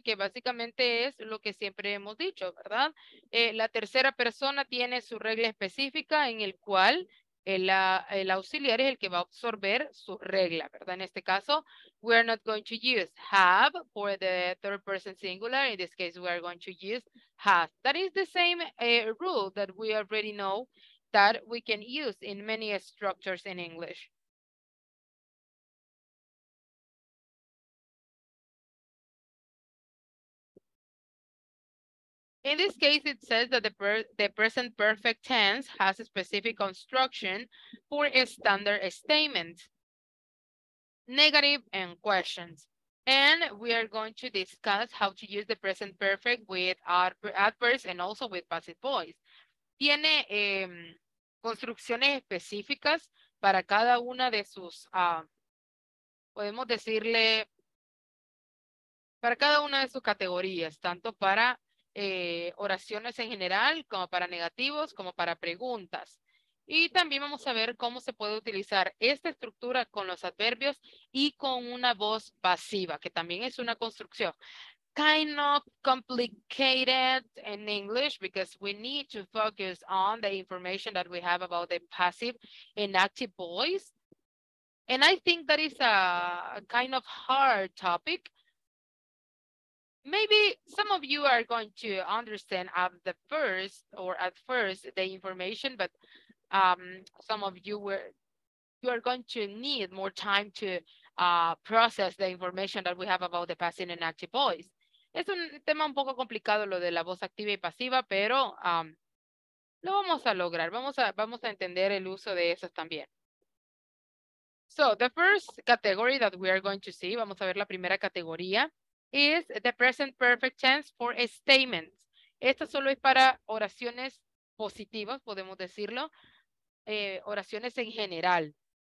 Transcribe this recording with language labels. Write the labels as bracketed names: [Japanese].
[Spanish] Que básicamente es lo que siempre hemos dicho, ¿verdad? La tercera persona tiene su regla específica en el cual El auxiliar es el que va a absorber su regla, ¿verdad? En este caso, [English] we are not going to use have for the third person singular. In this case, we are going to use has. That is the same rule that we already know that we can use in many structures in English. In this case, it says that the present perfect tense has a specific construction for a standard statement, negative, and questions. And we are going to discuss how to use the present perfect with adverbs and also with passive voice. [Spanish] Tiene construcciones específicas para cada una de sus, podemos decirle, para cada una de sus categorías, tanto para oraciones en general, como para negativos, como para preguntas. Y también vamos a ver cómo se puede utilizar esta estructura con los adverbios y con una voz pasiva, que también es una construcción. [English] Kind of complicated in English because we need to focus on the information that we have about the passive and active voice. And I think that is a kind of hard topic. Maybe some of you are going to understand at the first or at first the information, but some of you were you are going to need more time to process the information that we have about the passive and active voice. [Spanish] Es un tema un poco complicado lo de la voz activa y pasiva, pero lo vamos a lograr. Vamos a entender el uso de esas también. [English] So the first category that we are going to see, [Spanish] vamos a ver la primera categoría. [English] Is the present perfect tense for statements. [Spanish] Esto solo es para oraciones positivas, podemos decirlo, oraciones en general.